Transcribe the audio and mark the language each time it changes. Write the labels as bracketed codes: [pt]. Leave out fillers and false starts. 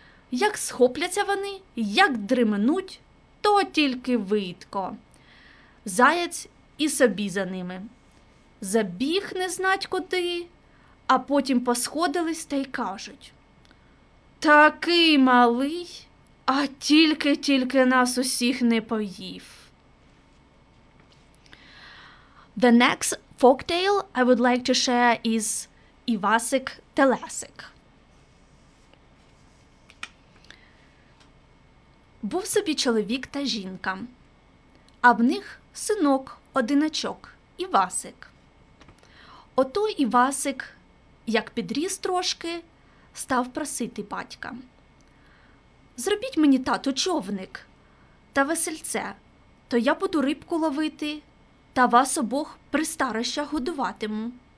[uk] Як схопляться вони, як дриминуть, то тільки видко. Заєць і собі за ними. Забіг не знать куди, а потім посходились та й кажуть: «Такий малий, а тільки-тільки нас усіх не поїв». [en] The next folktale I would like to share is Івасик та Лясик. [uk] Був собі чоловік та жінка, а в них синок-одиначок Івасик. Ото Івасик, як підріс трошки, став просити батька: «Зробіть мені, тату, човник та весельце, то я буду рибку ловити та вас обох при старощах годуватиму».